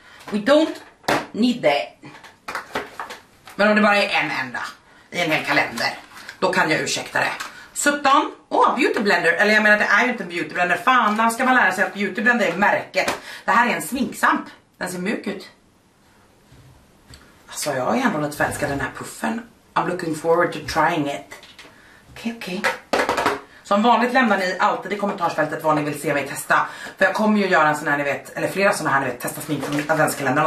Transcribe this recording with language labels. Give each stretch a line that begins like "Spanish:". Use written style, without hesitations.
English: We don't need that.
Swedish: Men om det bara är en enda i en hel kalender, då kan jag ursäkta det. 17. Åh, beauty blender. Eller jag menar, det är ju inte en beauty blender. Fan, då ska man lära sig att beauty blender är märket. Det här är en sminksamp. Den ser mjuk ut. Alltså jag är ändå lite förälskad den här puffen.
English: I'm looking forward to trying it.
Swedish: Okej, okay, okej. Okay. Som vanligt lämnar ni alltid i kommentarsfältet vad ni vill se mig testa. För jag kommer ju göra en sån här, ni vet, eller flera såna här, ni vet, testa smink från adventskalendern.